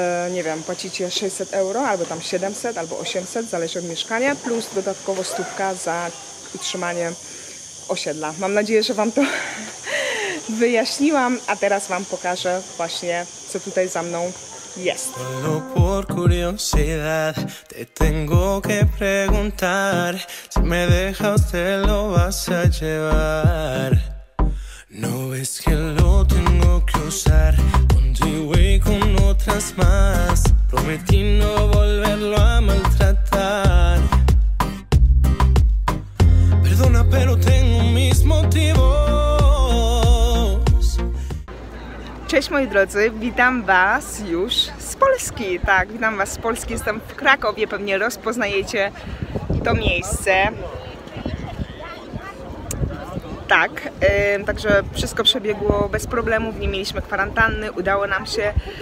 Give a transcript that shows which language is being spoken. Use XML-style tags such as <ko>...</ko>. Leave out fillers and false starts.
<pl>nie wiem, płacicie 600 euro, albo tam 700, albo 800, zależy od mieszkania, plus dodatkowo stówka za utrzymanie osiedla. Mam nadzieję, że Wam to wyjaśniłam, a teraz Wam pokażę właśnie, co tutaj za mną jest.</pl> <es>Solo por curiosidad te tengo que preguntar, si me dejas te lo vas a llevar. No ves que lo tengo que usar contigo y con otras más. Prometí no volverlo a maltratar. Perdona, pero tengo mis motivos.</es> <pl>Cześć moi drodzy, witam Was już z Polski. Tak, witam Was z Polski, jestem w Krakowie, pewnie rozpoznajecie to miejsce. Tak, także wszystko przebiegło bez problemów, nie mieliśmy kwarantanny, udało nam się.</pl>